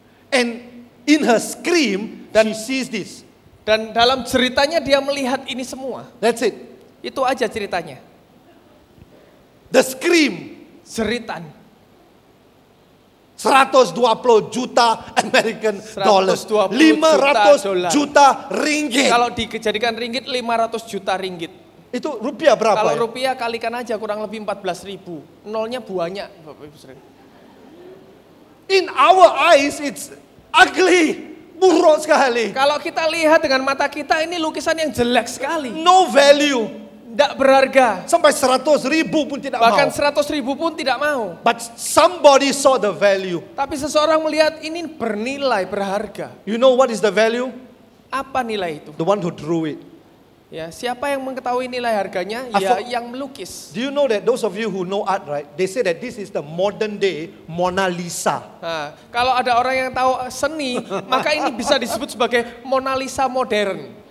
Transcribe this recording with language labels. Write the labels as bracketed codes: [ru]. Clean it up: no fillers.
[en] And in her scream, dan, she sees this. [id] Dan dalam ceritanya dia melihat ini semua. [en] That's it. [id] Itu aja ceritanya. [en] The Scream. [id] Jeritan. [en] 120 juta American dollars. 500 [id] juta ringgit. Kalau dijadikan ringgit, 500 juta ringgit. Itu rupiah berapa? Kalau rupiah kalikan aja kurang lebih 14.000. Nolnya banyak, Bapak Ibu sering. [en] In our eyes it's ugly, [id] buruk sekali. Kalau kita lihat dengan mata kita ini lukisan yang jelek sekali. [en] No value. [id] Tidak berharga. Sampai 100.000 pun tidak bahkan Bahkan 100.000 pun tidak mau. [en] But somebody saw the value. [id] Tapi seseorang melihat ini bernilai, berharga. [en] You know what is the value? [id] Apa nilai itu? [en] The one who drew it. [id] Ya, siapa yang mengetahui nilai harganya? Ya, yang melukis. [en] Do you know that those of you who know art, right? They say that this is the modern day Mona Lisa. [id] Nah, kalau ada orang yang tahu seni, maka ini bisa disebut sebagai Mona Lisa modern.